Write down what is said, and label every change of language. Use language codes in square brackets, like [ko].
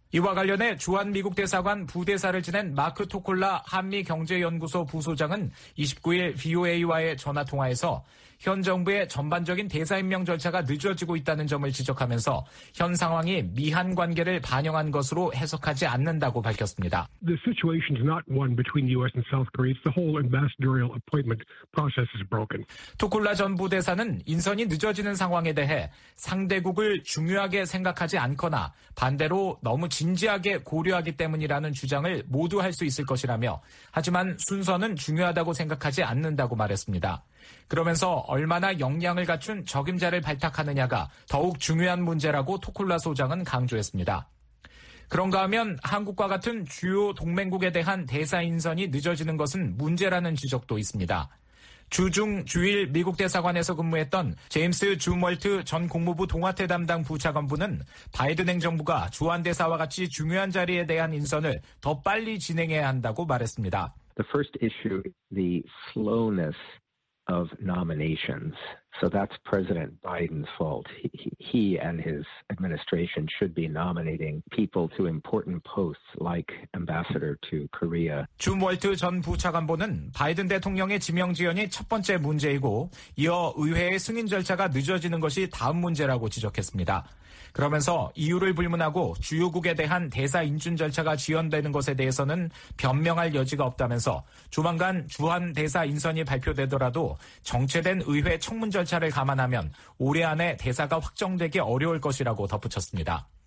[ko] 이와 관련해 주한미국 대사관 부대사를 지낸 마크 토콜라 한미경제연구소 부소장은 29일 VOA와의 전화통화에서 현 정부의 전반적인 대사 임명 절차가 늦어지고 있다는 점을 지적하면서 현 상황이 미한 관계를 반영한 것으로 해석하지 않는다고 밝혔습니다. [en] The situation is not one between the US and South Korea. It's the whole ambassadorial appointment process is broken. [ko] 투쿨라 전 부대사는 인선이 늦어지는 상황에 대해 상대국을 중요하게 생각하지 않거나 반대로 너무 진지하게 고려하기 때문이라는 주장을 모두 할 수 있을 것이라며 하지만 순서는 중요하다고 생각하지 않는다고 말했습니다. 그러면서 얼마나 역량을 갖춘 적임자를 발탁하느냐가 더욱 중요한 문제라고 토콜라 소장은 강조했습니다. 그런가 하면 한국과 같은 주요 동맹국에 대한 대사 인선이 늦어지는 것은 문제라는 지적도 있습니다. 주중 주일 미국 대사관에서 근무했던 제임스 주멀트 전 국무부 동아태 담당 부차관부는 바이든 행정부가 주한대사와 같이 중요한 자리에 대한 인선을 더 빨리 진행해야 한다고 말했습니다. [en] The first issue is the slowness of nominations. So that's President Biden's fault. He and his administration should be nominating people to important posts like ambassador to Korea. [ko] 주멀트 전 부차관보는 바이든 대통령의 지명 지연이 첫 번째 문제이고 이어 의회의 승인 절차가 늦어지는 것이 다음 문제라고 지적했습니다. 그러면서 이유를 불문하고 주요국에 대한 대사 인준 절차가 지연되는 것에 대해서는 변명할 여지가 없다면서 조만간 주한 대사 인선이 발표되더라도 정체된 의회 청문 절차를 감안하면 올해 안에 대사가 확정되기 어려울 것이라고 덧붙였습니다.